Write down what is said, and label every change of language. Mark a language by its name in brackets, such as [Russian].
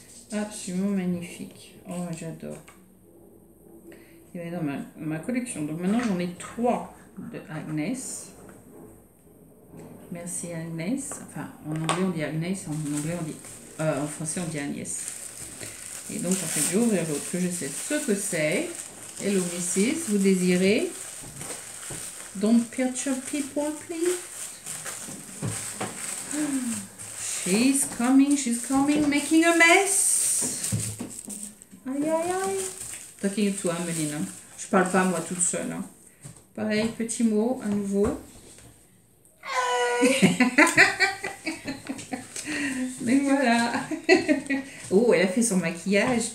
[French] Absolument magnifique. Oh, j'adore. Il est dans ma collection. Donc maintenant j'en ai 3 de Agnès. Merci Agnès. Enfin, en anglais on dit Agnès, en anglais on dit en français on dit Agnès. Et donc en fait, je vais ouvrir l'autre que je sais ce que c'est. [English] Hello Mrs, [French] vous désirez. [English] Don't perturb people, please. She's coming, making a mess. Aïe, aïe, aïe. Talking to Ameline. [French] Je parle pas moi toute seule. Hein. Pareil, petit mot à nouveau. Mais hey. Voilà. Oh, elle a fait son maquillage.